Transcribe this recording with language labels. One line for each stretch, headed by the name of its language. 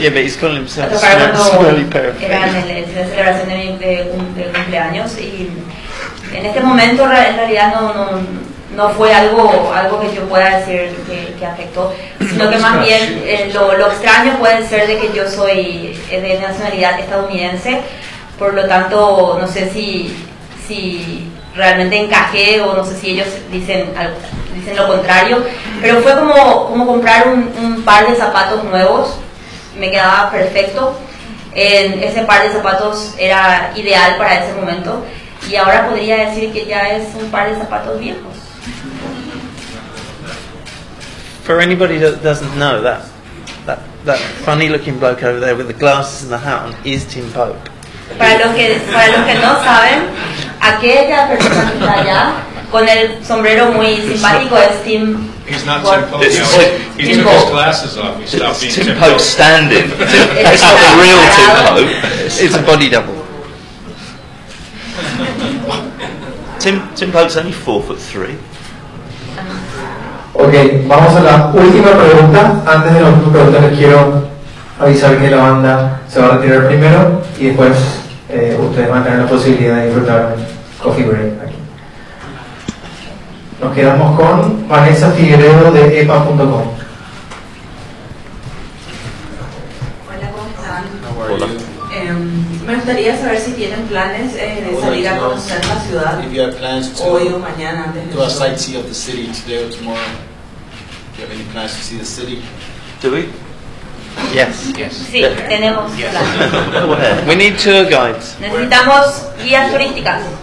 English: Yeah, but he's calling himself a smelly pair of shoes.
Spanish: Era en la celebración de cumpleaños y en este momento en realidad no fue algo que yo pueda decir que afectó, sino que más bien lo extraño puede ser de que yo soy de nacionalidad estadounidense, por lo tanto no sé si realmente encajé o no sé si ellos dicen lo contrario, pero fue como comprar un par de zapatos nuevos, me quedaba perfecto, ese par de zapatos era ideal para ese momento y ahora podría decir que ya es un par de zapatos viejos.
English: For anybody that doesn't know, that funny-looking bloke over there with the glasses and the hat on is Tim Pope.
Spanish: Para los que no saben, aquella persona que está allá con el sombrero muy simpático es Tim.
English: He's not Tim Pope. He took his glasses off. He stopped being Tim Pope. Tim Pope standing. It's not the real Tim Pope. It's a body double. Tim Pope's only 4'3".
Spanish: Ok, vamos a la última pregunta. Antes de la última pregunta les quiero avisar que la banda se va a retirar primero y después ustedes van a tener la posibilidad de disfrutar un coffee break aquí. Nos quedamos con Vanessa Figueredo de epa.com. Hola, ¿cómo están? Hola. Yo quería saber si tienen planes de salir a conocer la ciudad hoy o mañana antes
English: de today or tomorrow. Do you have any plans to see the city? Do we? Yes.
Spanish: Sí, tenemos plans.
English: We need tour guides.
Spanish: Necesitamos guías turísticas.